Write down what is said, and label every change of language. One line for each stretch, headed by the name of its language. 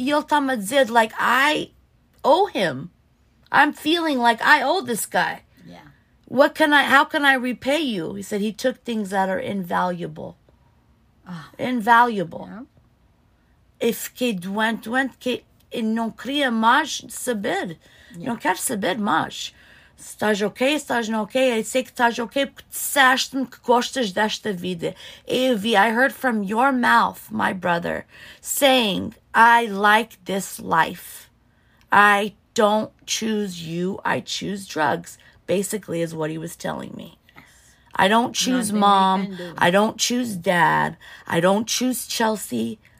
Portuguese: E ele está-me a dizer, like,
English: I owe him. I'm feeling like I owe this guy. Yeah. What can I, how can I repay you? He said he took things that are invaluable. Oh. Invaluable. Yeah.
Portuguese: E fiquei doente, que eu não queria mais saber. Yeah. Não quero saber mais. Se estás ok, se estás não ok. Eu sei que estás ok porque disseste-me que gostas desta vida. Eu vi,
English: I heard from your mouth, my brother, saying, I like this life. I don't choose you, I choose drugs. Basically is what he was telling me. Yes. I don't choose mom, I don't choose dad, I don't choose Chelsea.